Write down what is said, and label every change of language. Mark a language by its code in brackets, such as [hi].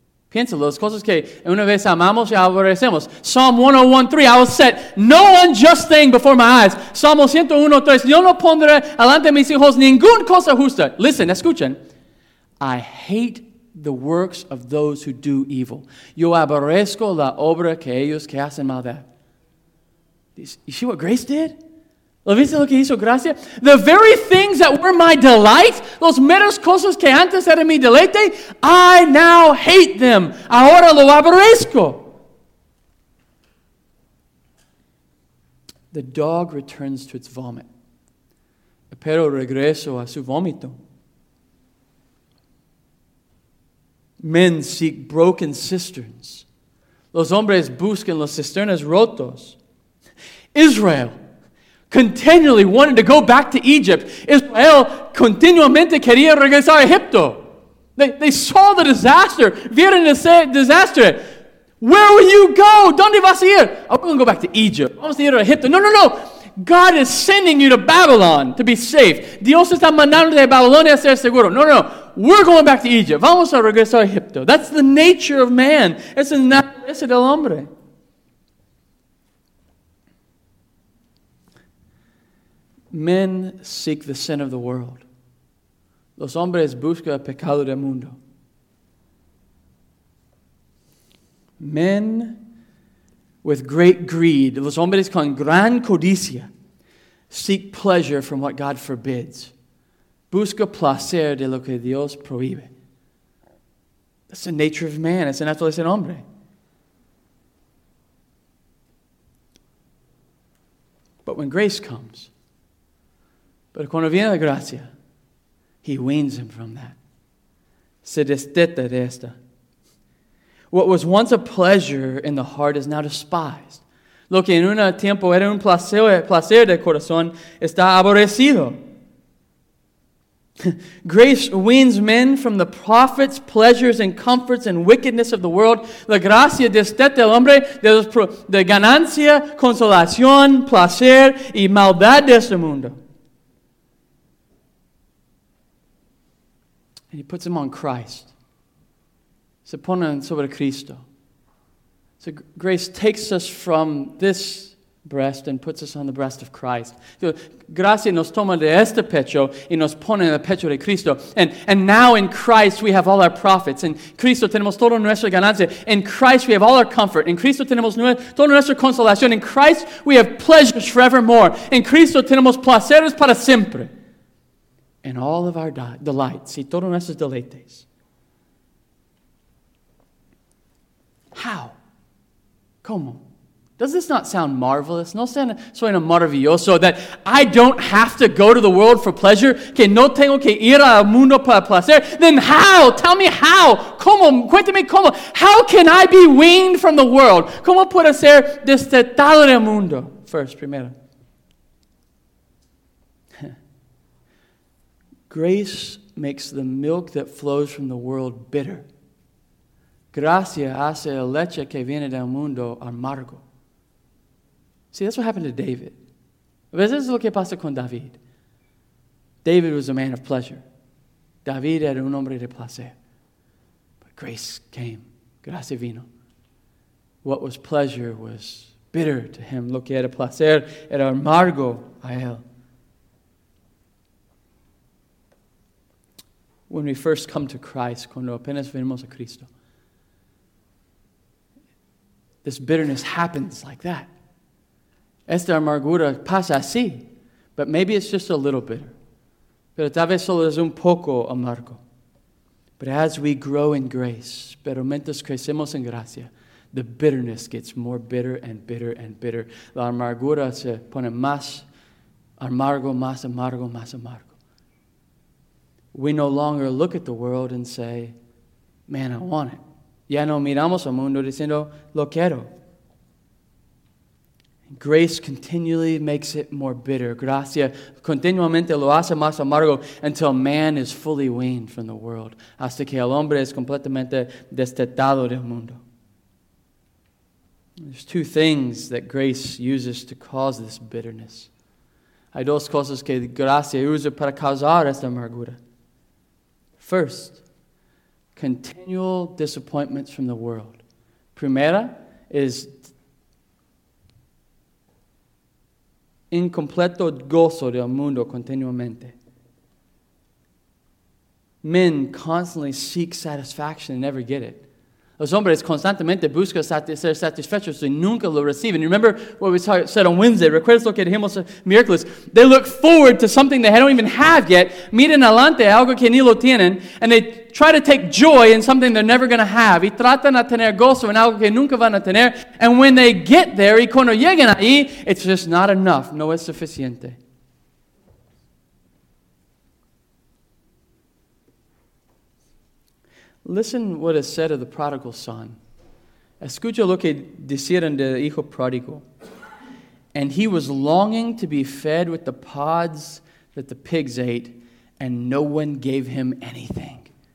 [es] Piénsalo, las cosas que una vez amamos y aborrecemos. [en] Psalm 101:3, I will set no unjust thing before my eyes. [es] Psalm 101:3, yo no pondré delante de mis hijos ninguna cosa justa. [en] Listen, [es] escuchen. [en] I hate the works of those who do evil. [es] Yo aborrezco la obra que ellos que hacen maldad. [en] You see what grace did? [es] ¿Lo viste lo que hizo gracia? [en] The very things that were my delight, [es] los meros cosas que antes eran mi deleite, [en] I now hate them. [es] Ahora lo aborrezco. [en] The dog returns to its vomit. [es] Pero regreso a su vómito. [en] Men seek broken cisterns. [es] Los hombres buscan las cisternas rotos. [en] Israel continually wanted to go back to Egypt. [es] Israel continuamente quería regresar a Egipto. [en] They saw the disaster. [es] Vieron ese desastre. [en] Where will you go? [es] ¿Dónde vas a ir? [en] I'm going to go back to Egypt. [es] Vamos a ir a Egipto. [en] No. God is sending you to Babylon to be safe. [es] Dios está mandándote a Babilonia a ser seguro. No. [en] We're going back to Egypt. [es] Vamos a regresar a Egipto. [en] That's the nature of man. [es] Es la naturaleza del hombre. [en] Men seek the sin of the world. [es] Los hombres buscan el pecado del mundo. [en] Men with great greed, [es] los hombres con gran codicia, [en] seek pleasure from what God forbids. [es] Busca placer de lo que Dios prohíbe. [en] That's the nature of man. It's the [es] naturaleza del hombre. [en] But when grace comes, [es] pero cuando viene la gracia, [en] he weans him from that. [es] Se desteta de esta. [en] What was once a pleasure in the heart is now despised. [es] Lo que en un tiempo era un placer de corazón está aborrecido. [en] Grace weans men from the profits, pleasures, and comforts and wickedness of the world. [es] La gracia desteta al hombre de ganancia, consolación, placer y maldad de este mundo. [en] And he puts him on Christ. [es] Se pone sobre Cristo. [en] So grace takes us from this breast and puts us on the breast of Christ. [es] Gracia nos toma de este pecho y nos pone en el pecho de Cristo. [en] And now in Christ we have all our profits. [es] In Cristo tenemos toda nuestra ganancia. [en] In Christ we have all our comfort. [es] In Cristo tenemos toda nuestra consolación. [en] In Christ we have pleasures forevermore. [es] In Cristo tenemos placeres para siempre. [en] And all of our delights, [es] y todos nuestros deleites. [en] How? [es] ¿Cómo? [en] Does this not sound marvelous? [es] ¿No suena maravilloso [en] that I don't have to go to the world for pleasure? [es] ¿Que no tengo que ir al mundo para placer? [en] Then how? Tell me how. [es] ¿Cómo? Cuéntame cómo. [en] How can I be weaned from the world? [es] ¿Cómo puedo ser destetado del mundo? [en] First, primero. Grace makes the milk that flows from the world bitter. [es] Gracia hace la leche que viene del mundo amargo. [en] See, that's what happened to David. This is [es] lo que pasa con David. [en] David was a man of pleasure. [es] David era un hombre de placer. [en] But grace came. [es] Gracia vino. [en] What was pleasure was bitter to him. [es] Lo que era placer era amargo a él. [en] When we first come to Christ, [es] cuando apenas venimos a Cristo, [en] this bitterness happens like that. [es] Esta amargura pasa así, [en] but maybe it's just a little bitter. [es] Pero tal vez solo es un poco amargo. [en] But as we grow in grace, [es] pero mientras crecemos en gracia, [en] the bitterness gets more bitter and bitter and bitter. [es] La amargura se pone más amargo, más amargo, más amargo. [en] We no longer look at the world and say, man, I want it. [es] Ya no miramos al mundo diciendo, lo quiero. [en] Grace continually makes it more bitter. [es] Gracia continuamente lo hace más amargo [en] until man is fully weaned from the world. [es] Hasta que el hombre es completamente destetado del mundo. [en] There's two things that grace uses to cause this bitterness. [es] Hay dos cosas que gracia usa para causar esta amargura. [en] First, continual disappointments from the world. [es] Primera is incompleto gozo del mundo continuamente. [en] Men constantly seek satisfaction and never get it. [es] Los hombres constantemente buscan ser satisfechos y nunca lo reciben. [en] Remember what we said on Wednesday? [es] ¿Recuerdas lo que dijimos miércoles? [en] They look forward to something they don't even have yet. [es] Miren adelante algo que ni lo tienen. [en] And they try to take joy in something they're never going to have. [es] Y tratan a tener gozo en algo que nunca van a tener. [en] And when they get there, [es] y cuando llegan ahí, [en] it's just not enough. [es] No es suficiente. [en] Listen what is said of the prodigal son. [es] Escucha lo que dijeron del hijo pródigo. [en] And he was longing to be fed with the pods that the pigs ate, and no one gave him anything.